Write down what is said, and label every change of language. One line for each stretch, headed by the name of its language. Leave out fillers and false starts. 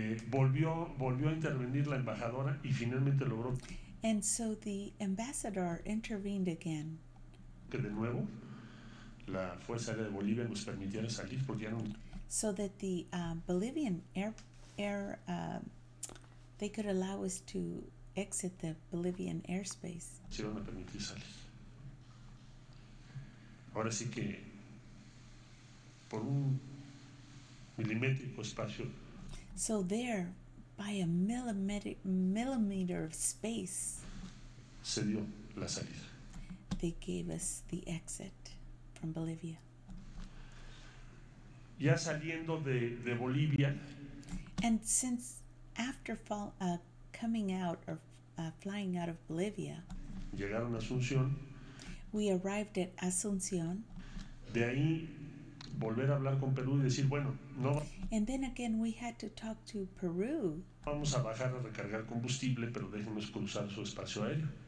Spanish: Volvió a intervenir la embajadora y finalmente logró.
English: And so the ambassador intervened again.
Spanish: Que de nuevo la Fuerza Aérea de Bolivia nos permitiera salir porque ya no.
English: So that the Bolivian they could allow us to exit the Bolivian airspace.
Spanish: Se van a permitir salir. Ahora sí que por un milimétrico espacio.
English: So there, by a millimeter of space,
Spanish: se dio la salida.
English: They gave us the exit. from Bolivia.
Spanish: Ya saliendo de Bolivia.
English: And since after flying out of Bolivia,
Spanish: llegaron a Asunción.
English: We arrived at Asunción.
Spanish: De ahí volver a hablar con Perú y decir, bueno, no.
English: And then again we had to talk to Peru.
Spanish: Vamos a bajar a recargar combustible, pero déjenos cruzar su espacio aéreo.